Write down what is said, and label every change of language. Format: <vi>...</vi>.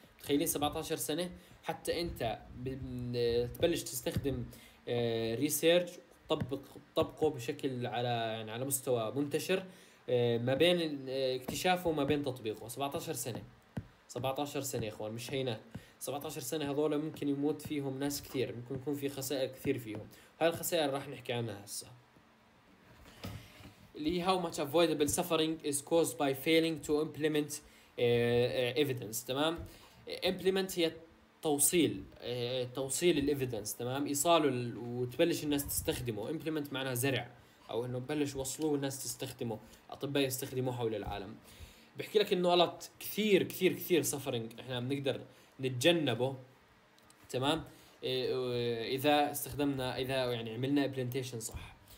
<ar>تخيلين 17 سنة حتى أنت تبلش تستخدم ريسيرج طبقه بشكل على يعني على مستوى منتشر، ما بين اكتشافه وما بين تطبيقه 17 سنة. اخوان مش هينا، 17 سنة هذول ممكن يموت فيهم ناس كثير، ممكن يكون في خسائر كثير فيهم، هاي الخسائر راح نحكي عنها هسه. اللي هي</ar> <en>how much avoidable suffering is caused by failing to implement evidence تمام.</en> <ar>implement هي توصيل الإفيدنس تمام، إيصاله وتبلش الناس تستخدمه. implement معناها زرع أو إنه بلش وصلوه الناس تستخدمه، أطباء يستخدموه حول العالم. بحكي لك إنه قلت كثير كثير كثير suffering إحنا بنقدر نتجنبه تمام، إذا استخدمنا إذا يعني عملنا implementation صح.</ar>